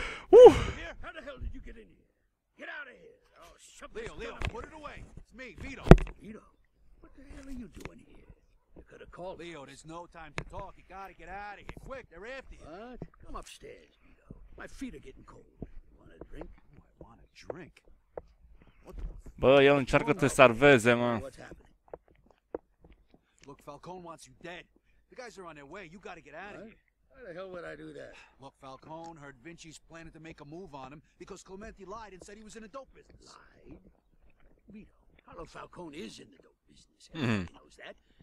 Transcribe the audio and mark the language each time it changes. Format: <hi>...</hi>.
<en>How the hell did you get in here? Get out of here. Oh, shut Leo, Leo, put it away. It's me, Vito. Vito? What the hell are you doing here? Call Leo, there's no time to talk. You gotta get out of here. Quick, they're after you. What? Come upstairs, Vito. My feet are getting cold. You want a drink? I want a drink.</en> <ro>Bă, el încearcă să te salveze, mă.</ro> <en>Look, Falcone wants you dead. The guys are on their way. You gotta get out of here. Why the hell would I do that? Look, Falcone heard Vinci's planning to make a move on him because Clemente lied and said he was in the dope business. Lied? Vito, Carlo Falcone is in the dope business. He knows that.</en>